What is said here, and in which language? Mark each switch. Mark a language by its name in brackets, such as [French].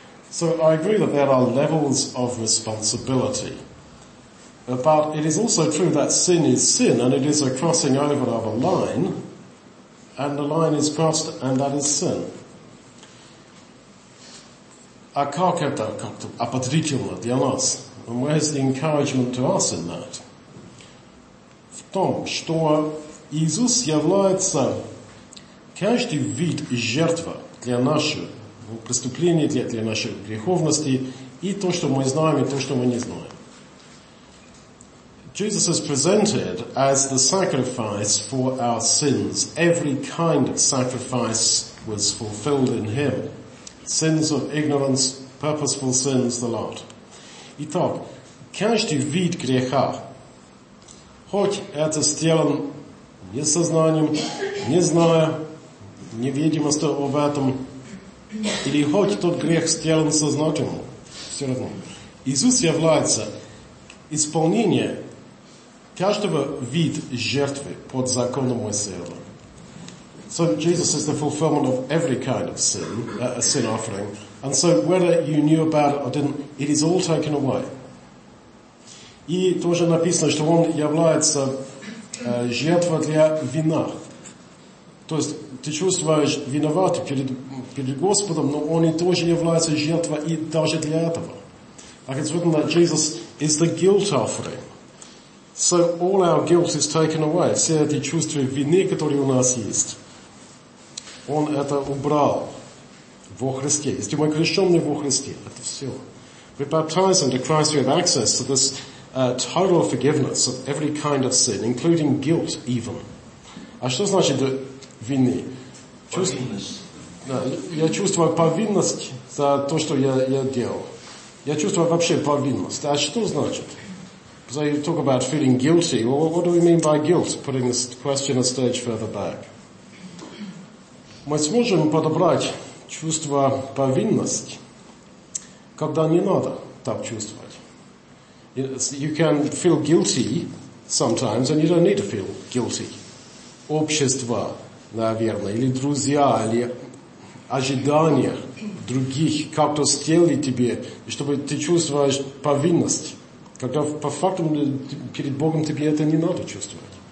[English] So I agree that there are levels of responsibility. But it is also true that sin is sin, and it is a crossing over of a line, and the line is crossed, and that is sin. [Russian] А как это как-то ободрительно для нас? [English] And where is the encouragement to us in that? [Russian] В том, что Иисус является каждый вид жертвы для нашего преступления, для нашей греховности, и то, что мы знаем, и то, что мы не знаем. [English] Jesus is presented as the sacrifice for our sins. Every kind of sacrifice was fulfilled in him. Sins of ignorance purposeful sins the Lord. [Russian] Итак, каждый вид греха, хоть это сделан несознанием, не зная, невидимостью об этом, или хоть тот грех сделан сознательно, все равно. Иисус является исполнением каждого вид жертвы под законом Моисеева. [English] So Jesus is the fulfillment of every kind of sin, a sin offering. And so whether you knew about it or didn't, it is all taken away. [Russian] И тоже написано, что он является жертвой для вина. То есть ты чувствуешь виноватым перед Господом, но он и тоже является жертвой и даже для этого. [English] Like it's written that Jesus is the guilt offering. So all our guilt is taken away. [Russian] Все эти чувства вины, которые у нас есть, он это убрал во Христе. Если мы крещены во Христе, это все. [English] We baptize into Christ, we have access to this total forgiveness of every kind of sin, including guilt even. [Russian] А что значит вины? Повинность. Да, я чувствую повинность за то, что я делал. Я чувствую вообще повинность. А что значит? [English] So you talk about feeling guilty. Well, what do we mean by guilt? Putting this question a stage further back. [Russian] Мы сможем подобрать чувство повинности, когда не надо так чувствовать. [English] You can feel guilty sometimes, and you don't need to feel guilty. [Russian] Общество, наверное, или друзья, или ожидания других как-то сделали тебе, чтобы ты чувствовал повинность, когда по факту перед Богом тебе это не надо чувствовать.